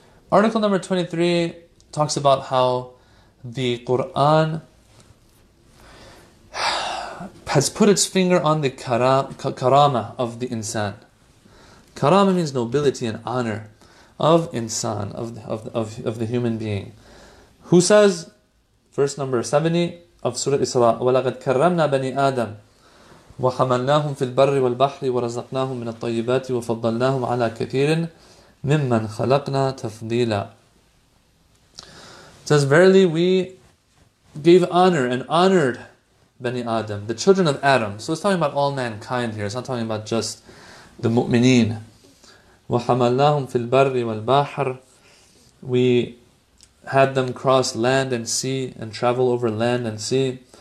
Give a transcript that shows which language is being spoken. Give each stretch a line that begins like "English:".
English: Article number 23 talks about how the Quran has put its finger on the karama of the insan. Karama means nobility and honor of insan, of the human being. Who says, verse number 70 of Surah Isra,
Arabic: وَلَقَدْ كَرَّمْنَا بَنِي آدَمْ وَحَمَلْنَاهُمْ فِي الْبَرِّ وَالْبَحْرِ وَرَزَقْنَاهُمْ مِنَ الطَّيِّبَاتِ وَفَضَّلْنَاهُمْ عَلَىٰ كَثِيرٍ مِمَّنْ خَلَقْنَا تَفْضِيلًا.
English: It says, verily we gave honor and honored Bani Adam, the children of Adam. So it's talking about all mankind here. It's not talking about just the mu'mineen.
Arabic: وَحَمَلْنَاهُمْ فِي الْبَرِّ وَالْبَحْرِ.
English: We had them cross land and sea and travel over land and sea.